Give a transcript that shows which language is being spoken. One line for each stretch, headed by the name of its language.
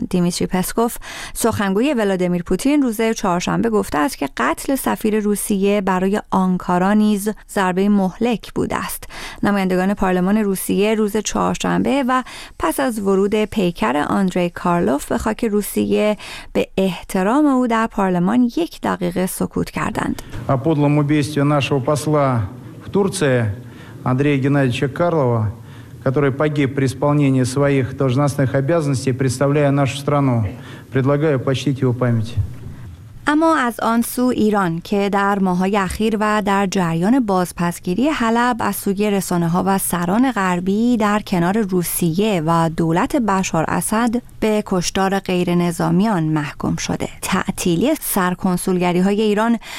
Persian: دیمیتری پسکوف، سخنگوی ولادیمیر پوتین، روز چهارشنبه گفته است که قتل سفیر روسیه برای آنکارا نیز ضربه مهلک بوده است. نمایندگان پارلمان روسیه روز چهارشنبه و پس از ورود پیکر آندری کارلوف به خاک روسیه به احترام او در پارلمان 1 دقیقه سکوت کردند.
Russian: нашего посла в Турции Андрея Геннадьевича Карлова, который погиб при исполнении своих должностных обязанностей, представляя нашу страну, предлагаю почтить его память.
Persian: اما از آن سو ایران که در ماه‌های اخیر و در جریان بازپسگیری حلب از سوی رسانه‌ها و سران غربی در کنار روسیه و دولت بشار اسد به کشتار غیرنظامیان محکوم شده، تعطیلی سرکنسولگری‌های ایران